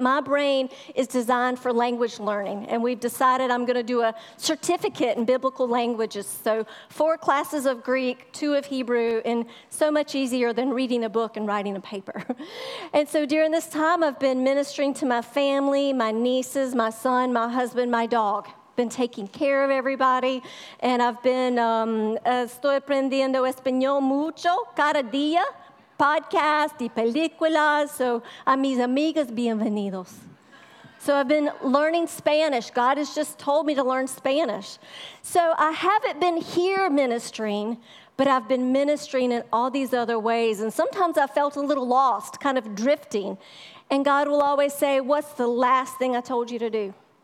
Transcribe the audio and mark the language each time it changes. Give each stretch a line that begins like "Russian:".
English: My brain is designed for language learning, and we've decided I'm going to do a certificate in biblical languages. So 4 classes of Greek, 2 of Hebrew, and so much easier than reading a book and writing a paper. And so during this time, I've been ministering to my family, my nieces, my son, my husband, my dog. Been taking care of everybody, and I've been
Spanish: estoy aprendiendo español mucho cada día, podcast y películas. So a mis amigas, bienvenidos.
English: So I've been learning Spanish. God has just told me to learn Spanish. So I haven't been here ministering, but I've been ministering in all these other ways. And sometimes I felt a little lost, kind of drifting. And God will always say, "What's the last thing I told you to do?"